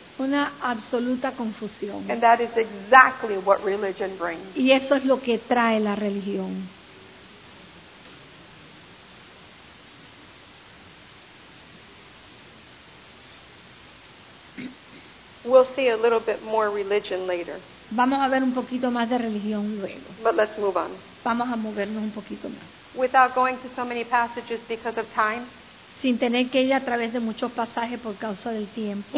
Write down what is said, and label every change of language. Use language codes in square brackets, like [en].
[es] Una absoluta confusión. [en] And that is exactly what religion brings. [es] Y eso es lo que trae la religión. [en] We'll see a little bit more religion later. [es] Vamos a ver un poquito más de religión luego. [en] But let's move on. [es] Vamos a movernos un poquito más. [en] Without going to so many passages because of time. [es] Sin tener que ir a través de muchos pasajes por causa del tiempo.